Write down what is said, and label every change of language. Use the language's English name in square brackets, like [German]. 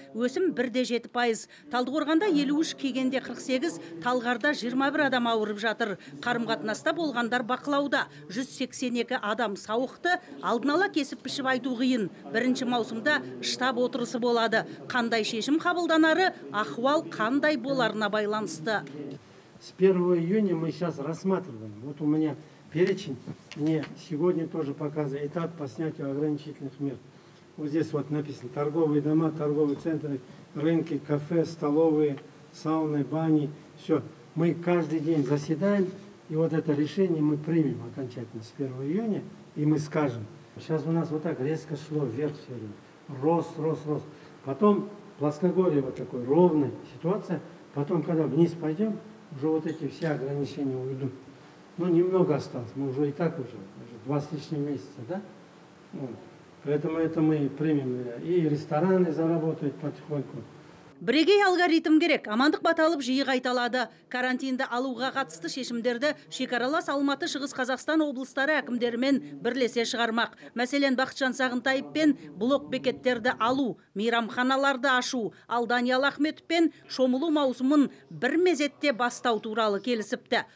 [Kazakh] Өсім 1.7%. Талдықорғанда 53, Кегенде 48, Талғарда 21 адам ауырып жатыр. Қарым-қатынаста болғандар бақылауда. 182 адам сауықты, алдын ала кесіп пішіп айту қиын. Бірінші маусымда штаб отырысы болады. Қандай шешім қабылданары, ахуал қандай боларына байланысты. [Russian] С 1 июня мы сейчас рассматриваем. Вот у меня перечень, мне сегодня тоже показывает этап по снятию ограничительных мер. Вот здесь вот написано: торговые дома, торговые центры, рынки, кафе, столовые, сауны, бани, все. Мы каждый день заседаем, и вот это решение мы примем окончательно с 1 июня, и мы скажем. Сейчас у нас вот так резко шло вверх все время, рос, рос, рос. Потом плоскогорье вот такое, ровная ситуация. Потом, когда вниз пойдем, уже вот эти все ограничения уйдут. Ну, немного осталось, мы уже и так уже, 2 с лишним месяца, да? Вот. Поэтому это мы примем, и рестораны заработают потихоньку. [Kazakh] Бірегей алгоритм керек, амандық баталып жиі қайталады. Карантинді алуға қатысты шешімдерді шекаралас Алматы шығыс Қазақстан облыстары әкімдерімен бірлесе шығармақ. Мәселен, Бақытжан Сағынтаев пен блок бекеттерді алу, мейрамханаларды ашу, ал Даниал Ахметов пен шомылу маусымын бір мезетте бастау туралы келісіпті.